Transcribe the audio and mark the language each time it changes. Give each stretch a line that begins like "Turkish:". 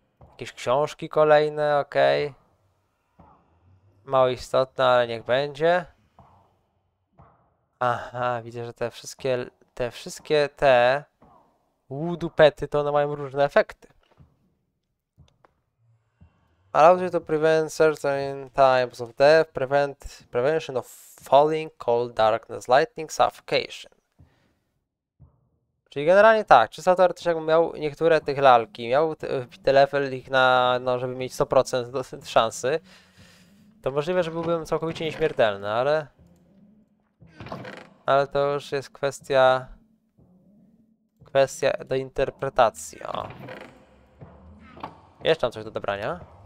Polish: Jakieś książki kolejne, okej. Mało istotne, ale niech będzie. Aha, widzę, że te wszystkie Woodupety, to one mają różne efekty.
English: Allows you to prevent certain times of death, prevention of falling, cold, darkness, lightning, suffocation.
Polish: Czyli generalnie tak, czysto teoretycznie jakbym miał niektóre tych lalki, miał te level ich na, no, żeby mieć 100% szansy, to możliwe, że byłbym całkowicie nieśmiertelny, ale... Ale to już jest kwestia... Kwestia do interpretacji, o. Jeszcze mam coś do dobrania.